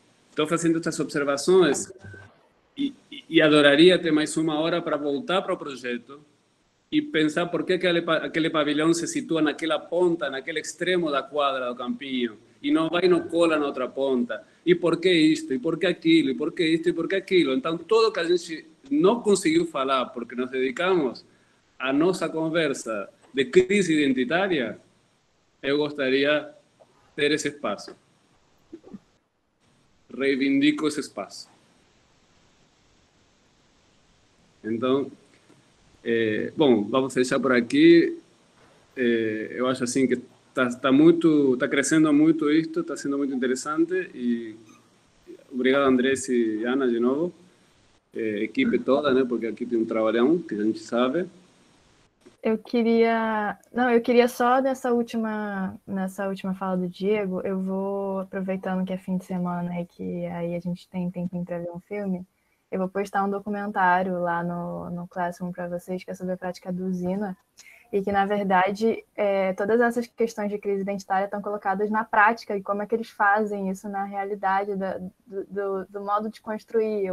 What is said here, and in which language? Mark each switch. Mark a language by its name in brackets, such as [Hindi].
[Portuguese] Estou fazendo estas observações e adoraria ter mais uma hora para voltar para o projeto e pensar por que aquele pavilhão se situa naquela ponta, naquele extremo da quadra do campinho e não vai no cola na outra ponta. E por que isto? E por que aquilo? E por que isto? E por que aquilo? Então, tudo que a gente não conseguiu falar porque nos dedicamos à nossa conversa de crise identitária, eu gostaria de ter esse espaço. [Spanish] Reivindico ese espacio. Entonces, bueno, vamos a dejar por aquí. Yo acho así que está creciendo mucho esto, está siendo muy interesante. Y obrigado, Andrés y Ana, de nuevo. Equipe toda, ¿no? Porque aquí tiene un trabajo que a gente sabe. [Portuguese] Eu queria, não, eu queria só nessa última fala do Diego, eu vou, aproveitando que é fim de semana e que aí a gente tem tempinho para ver um filme, eu vou postar um documentário lá no Classroom para vocês, que é sobre a prática do Zina, e que, na verdade, todas essas questões de crise identitária estão colocadas na prática, e como é que eles fazem isso na realidade do modo de construir.